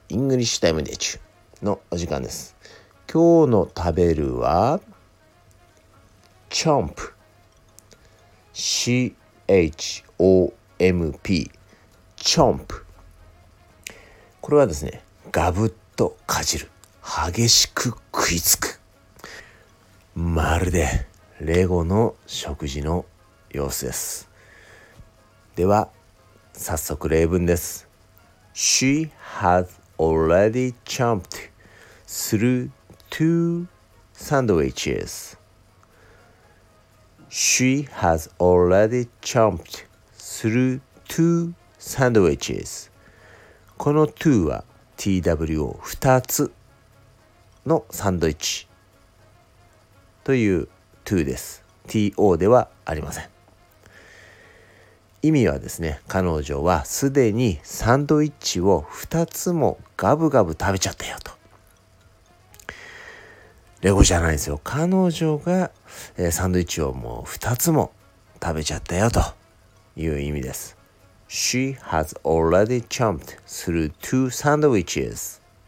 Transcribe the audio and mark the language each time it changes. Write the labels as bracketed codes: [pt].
[ja] イングリッシュタイムデチューのお時間です。今日の食べるはチョンプ、 CHOMP、 チョンプ。これはですね、ガブッとかじる、激しく食いつく、まるでレゴの食事の様子です。では早速例文です。 [en] She has already chomped throughTwo sandwiches. She has already chomped through two sandwiches. [ja] この two は two 二つのサンドイッチという two です。 to ではありません。意味はですね、彼女はすでにサンドイッチを二つもガブガブ食べちゃったよと。レゴじゃないんですよ。彼女が、サンドイッチをもう2つも食べちゃったよという意味です。 [en] She has already chomped through two sandwiches.